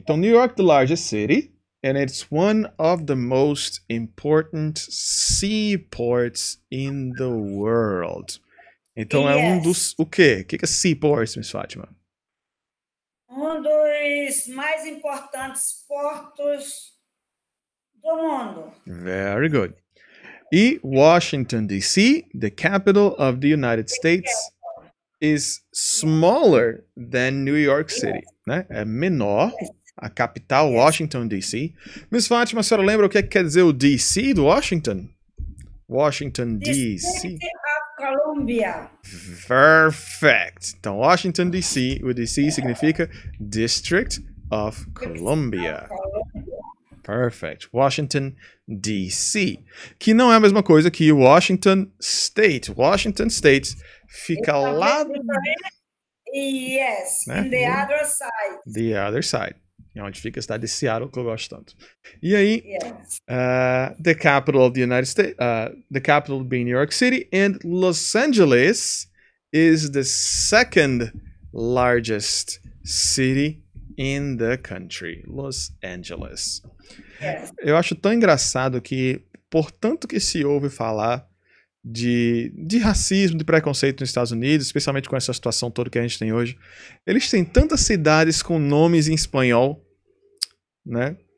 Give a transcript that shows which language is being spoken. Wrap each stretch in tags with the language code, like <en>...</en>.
<en>Então, New York, the largest city, and it's one of the most important seaports in the world.</en> <pt>Então, é um</pt> <en>Yes.</en> <pt>dos. O quê? O que é seaports, Miss Fátima? Um dos mais importantes portos do mundo.</pt> <en>Very good. E Washington, D.C., the capital of the United States, is smaller than New York City, né?</en> <pt>É menor a capital, Washington, D.C. Miss Fátima, a senhora lembra o que é que quer dizer o D.C. do Washington? Washington, D.C. Columbia. Perfect! Então, Washington, D.C., o D.C. significa District of Columbia. Perfect. Washington, D.C. Que não é a mesma coisa que Washington State. Washington State fica lá.</pt> <en>Yes,</en> <pt>Né?</pt> <en>in the</en> <pt>Do</pt> <en>other side. the other side.</en> <pt>É onde fica a cidade de Seattle, que eu gosto tanto.</pt> <en>E aí, the capital of the United States. The capital being New York City. And Los Angeles is the second largest city in the country. Los Angeles.</en> <pt>Eu acho tão engraçado que, por tanto que se ouve falar de racismo, de preconceito nos Estados Unidos, especialmente com essa situação toda que a gente tem hoje, eles têm tantas cidades com nomes em espanhol, né?</pt>